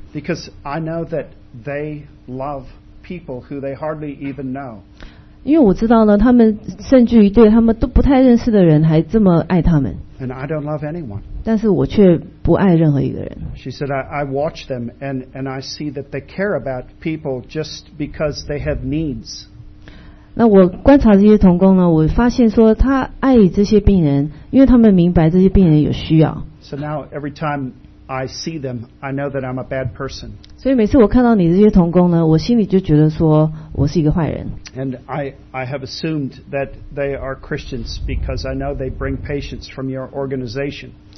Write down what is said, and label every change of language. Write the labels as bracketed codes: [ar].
[en] Because I know that they love people who they hardly even know. [zh] 因为我知道呢，他们甚至于对他们都不太认识的人还这么爱他们。 [en] And I don't love anyone. [zh] 但是我却不爱任何一个人。 [en] She said, I watch them and I see that they care about people just because they have needs. [zh] 那我观察这些同工呢，我发现说他爱这些病人，因为他们明白这些病人有需要。 [en] So now every time I see them, I know that I'm a bad person. [zh] 所以每次我看到你这些同工呢，我心里就觉得说我是一个坏人。 [en] And I have assumed that they are Christians because I know they bring patients from your organization.